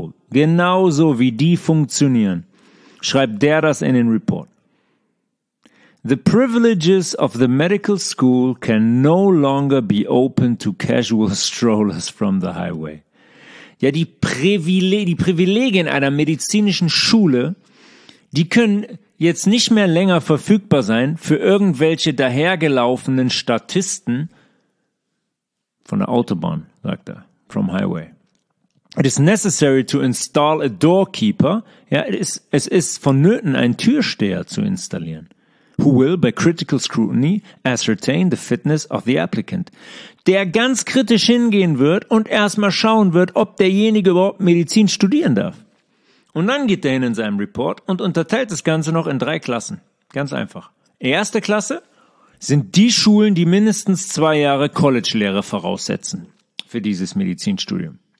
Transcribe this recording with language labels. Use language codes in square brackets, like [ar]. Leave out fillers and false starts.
[de] Genauso wie die funktionieren, schreibt der das in den Report. [en] The privileges of the medical school can no longer be open to casual strollers from the highway. [de] Ja, die Privilegien einer medizinischen Schule, die können jetzt nicht mehr länger verfügbar sein für irgendwelche dahergelaufenen Statisten von der Autobahn, sagt er, [en] from highway. It is necessary to install a doorkeeper. [de] Ja, es ist vonnöten, einen Türsteher zu installieren. [en] Who will, by critical scrutiny, ascertain the fitness of the applicant. [de] Der ganz kritisch hingehen wird und erstmal schauen wird, ob derjenige überhaupt Medizin studieren darf. Und dann geht er hin in seinem Report und unterteilt das Ganze noch in drei Klassen. Ganz einfach. Erste Klasse sind die Schulen, die mindestens 2 Jahre College-Lehre voraussetzen für dieses Medizinstudium.